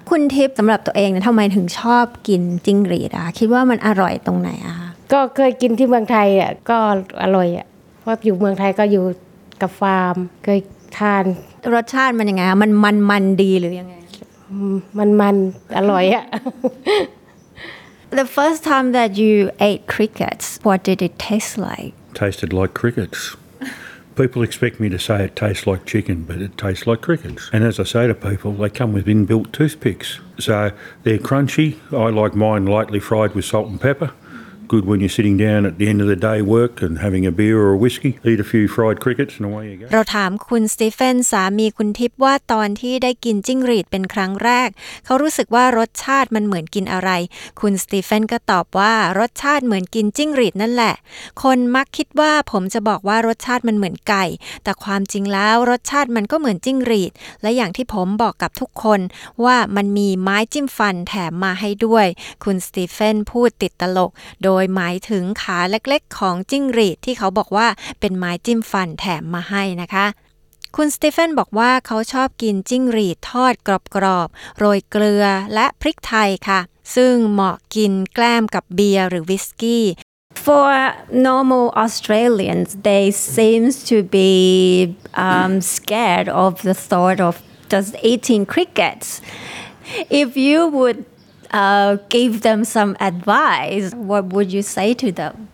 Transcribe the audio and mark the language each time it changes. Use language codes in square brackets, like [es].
[th] คุณทิพย์สำหรับตัวเองเนี่ยทำไมถึงชอบกินจิ้งหรีดอ่ะคิดว่ามันอร่อยตรงไหนอ่ะ ก็เคยกินที่เมืองไทยอ่ะก็อร่อยอ่ะเพราะอยู่เมืองไทยก็อยู่กับฟาร์มเคยทาน รสชาติมันยังไงอ่ะมันดีหรือยังไง มันอร่อยอ่ะ [en] The first time that you ate crickets, what did it taste like? Tasted like crickets. People expect me to say it tastes like chicken, but it tastes like crickets. And as I say to people, they come with inbuilt toothpicks. So they're crunchy. I like mine lightly fried with salt and pepper. Good when you're sitting down at the end of the day work and having a beer or a whiskey. Eat a few fried crickets and away you go. [th] เราถามคุณสตีเฟนสามีคุณทิพย์ว่าตอนที่ได้กินจิ้งหรีดเป็นครั้งแรกเขารู้สึกว่ารสชาติมันเหมือนกินอะไรคุณสตีเฟนก็ตอบว่ารสชาติเหมือนกินจิ้งหรีดนั่นแหละ คนมักคิดว่าผมจะบอกว่ารสชาติมันเหมือนไก่แต่ความจริงแล้วรสชาติมันก็เหมือนจิ้งหรีดและอย่างที่ผมบอกกับทุกคนว่ามันมีไม้จิ้มฟันแถมมาให้ด้วยคุณสตีเฟนพูดติดตลกโดยหมายถึงขาเล็กๆของจิ้งหรีดที่เขาบอกว่าเป็นไม้จิ้มฟันแถมมาให้นะคะคุณสตีเฟนบอกว่าเขาชอบกินจิ้งหรีดทอดกรอบๆโรยเกลือและพริกไทยค่ะซึ่งเหมาะกินแกล้มกับเบียร์หรือวิสกี้ [en] For normal Australians they seems to be scared of the thought of just eating crickets if you wouldgive them some advice, what would you say to them?